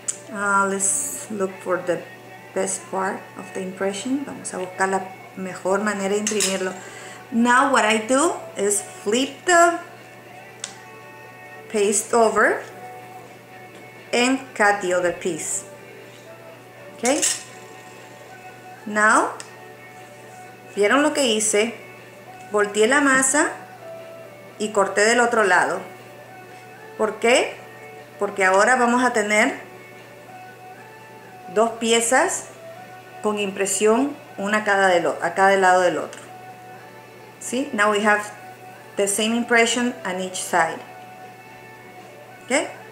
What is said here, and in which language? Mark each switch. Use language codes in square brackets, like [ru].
[en] Let's look for the best part of the impression. [es] Vamos a buscar la mejor manera de imprimirlo. [en] Now, what I do is flip the paste over and cut the other piece. Okay? Now, [es] ¿vieron lo que hice? Volteé la masa y corté del otro lado. ¿Por qué? Porque ahora vamos a tener dos piezas con impresión, una a cada lado del otro. [en] See? Now we have the same impression on each side. Okay?